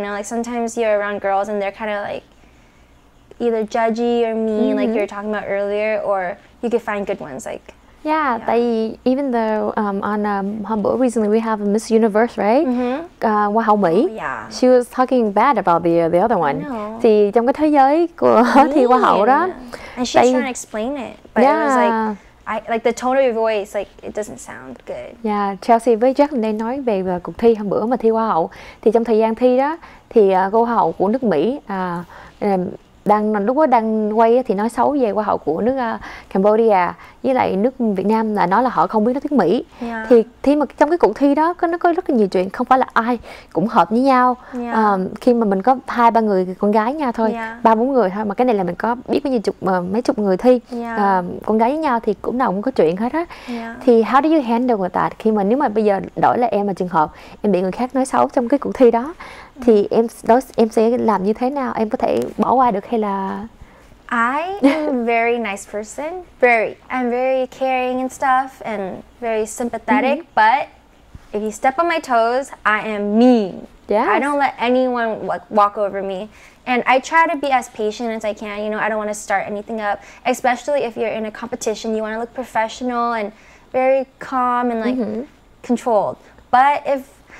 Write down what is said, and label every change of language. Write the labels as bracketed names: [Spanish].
[English] You know, like sometimes you're around girls and they're kind of like either judgy or mean, like you were talking about earlier, or you could find good ones like. Even though on Humble recently we have a Miss Universe, right? Hoa Hậu Mỹ. She was talking bad about the other one. [Vietnamese] Thì trong cái thế giới của thì Hoa Hậu đó. [English] And she's trying to explain it, but it was like, the tone of your voice, like it doesn't sound good. [Vietnamese] Yeah, Chelsea với Jack nên nói về cuộc thi hôm bữa mà thi Hoa Hậu. Thì trong thời gian thi đó, thì cô Hoa Hậu của nước Mỹ đang quay thì nói xấu về hoa hậu của nước Cambodia với lại nước Việt Nam, là nói là họ không biết nói tiếng Mỹ. Thì mà trong cái cuộc thi đó nó có rất là nhiều chuyện, không phải là ai cũng hợp với nhau. Khi mà mình có 2-3 người con gái nha thôi, 3-4 người thôi, mà cái này là mình có biết bao nhiêu chục mấy chục người thi con gái với nhau thì cũng nào cũng có chuyện hết á. Thì [English] how do you handle with that? [Vietnamese] Khi mà nếu mà bây giờ đổi là em, mà trường hợp em bị người khác nói xấu trong cái cuộc thi đó, thì em sẽ làm như thế nào? Em có thể bỏ qua được hay là... [English] I am a very nice person. Very. I'm very caring and stuff and very sympathetic. But if you step on my toes, I am mean. I don't let anyone walk over me. And I try to be as patient as I can. You know, I don't want to start anything up. Especially if you're in a competition, you want to look professional and very calm and like controlled. But if...